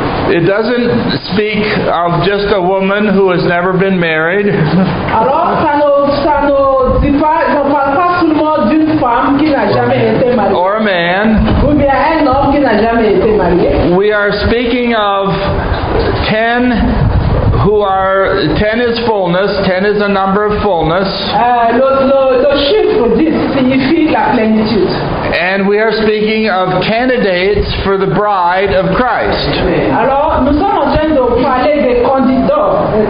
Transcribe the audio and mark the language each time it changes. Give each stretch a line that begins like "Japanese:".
English: It doesn't speak of just a woman who has never been married.
French: Alors, ça ne parle pas seulement d'une femme qui n'a jamais été mariée.
English: Or a man.
French: Ou bien un homme qui n'a jamais été marié.
English: We are speaking of 10 who are, 10 is fullness, 10 is a number of fullness.
French: Le chiffre 10 signifie la plénitude.
English: And we are speaking of candidates for the bride of Christ.
French: Alors, nous sommes en train de parler des candidats.